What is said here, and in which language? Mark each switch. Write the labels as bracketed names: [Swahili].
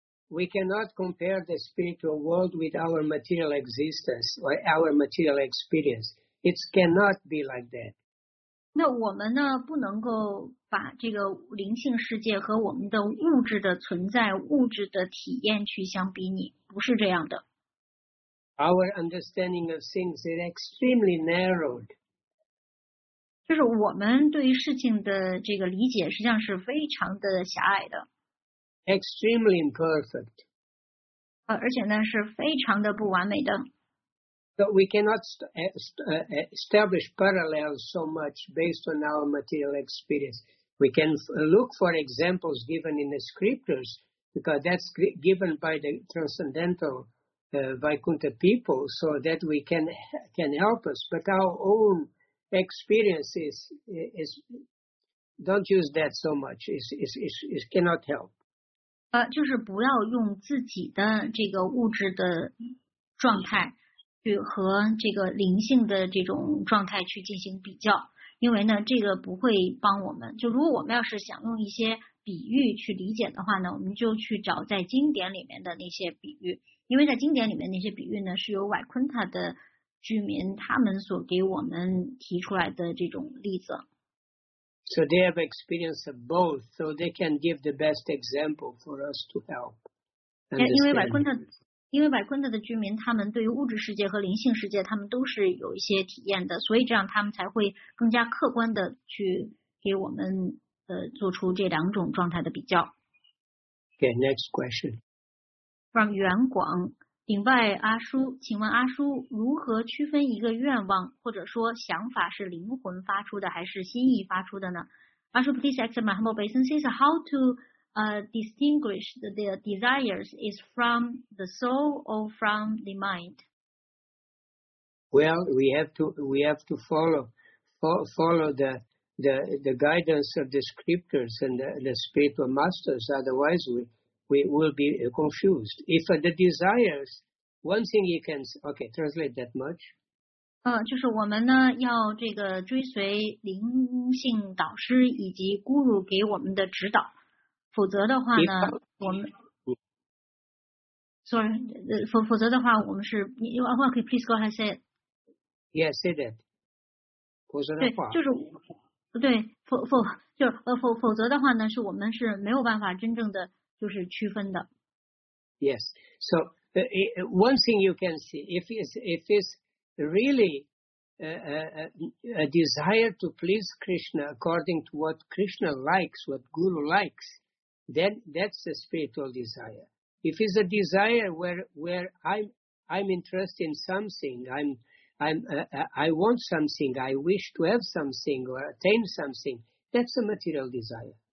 [English] We cannot compare the spiritual world with our material existence or our material experience. It cannot be like that. [Chinese] 那我们呢不能够把这个灵性世界和我们的物质的存在、物质的体验去相比拟，不是这样的。 [English] Our understanding of things is extremely narrowed. [Chinese] 就是我们对于事情的这个理解实际上是非常的狭隘的。 [English] Extremely imperfect. [Chinese] 而且呢是非常的不完美的。 [English] So we cannot establish parallels so much based on our material experience. We can look for examples given in the scriptures because that's given by the transcendental Vaikuntha people so that we can help us. But our own experiences is don't use that so much. It cannot help. [Chinese] 就是不要用自己的这个物质的状态和这个灵性的这种状态去进行比较，因为呢这个不会帮我们，就如果我们要是想用一些比喻去理解的话呢，我们就去找在经典里面的那些比喻，因为在经典里面那些比喻呢是由瓦昆塔的居民他们所给我们提出来的这种例子。 [English] So they have experience of both, so they can give the best example for us to help understand. [Chinese] 因为瓦昆塔的居民，他们对于物质世界和灵性世界，他们都是有一些体验的，所以这样他们才会更加客观的去给我们做出这两种状态的比较。 [English] Okay, next question. From [Chinese] 袁广，顶拜阿叔，请问阿叔如何区分一个愿望或者说想法是灵魂发出的还是心意发出的呢？ [English] 阿叔 ，please accept my humble obeisances. How to distinguish their desires is from the soul or from the mind? Well, we have to follow the guidance of the scriptures and the spiritual masters. Otherwise, we will be confused. If the desires, one thing you can okay translate that much. [Chinese] 就是我们呢要这个追随灵性导师以及咕噜给我们的指导。否则的话呢，我们 否则的话，我们是 [English] you are okay. Please go ahead. Say it. Yes, say that. [Chinese] 否则的话，对，就是不对，否则的话呢，是我们是没有办法真正的就是区分的。 [English] Yes. So one thing you can see, if it's really a desire to please Krishna according to what Krishna likes, what Guru likes. Then that's a spiritual desire. If it's a desire where I'm interested in something, I want something, I wish to have something or attain something, that's a material desire.